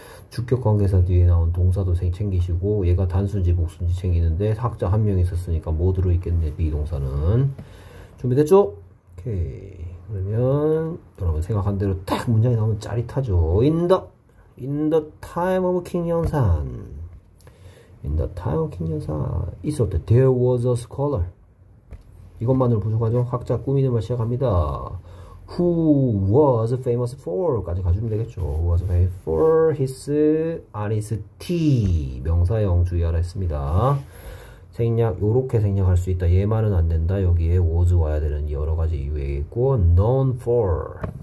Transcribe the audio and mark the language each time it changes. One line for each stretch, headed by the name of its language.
Korean: 주격 관계사 뒤에 나온 동사도 챙기시고 얘가 단수인지 복수인지 챙기는데 학자 한명 있었으니까 모두로 있겠네. 비 동사는 준비됐죠? 오케이. 그러면 여러분 생각한 대로 딱 문장이 나오면 짜릿하죠.
English: In the time of King Yongsan. In the time of King Yongsan, there was a scholar.
Korean: 이것만으로 부족하죠? 학자 꾸미는 말 시작합니다.
English: Who was famous for?
Korean: 까지 가주면 되겠죠.
English: Who was famous for his honesty?
Korean: 명사형 주의하라 했습니다. 생략, 요렇게 생략할 수 있다. 얘만은 안 된다. 여기에 was 와야 되는 여러 가지 이유에 있고, known for.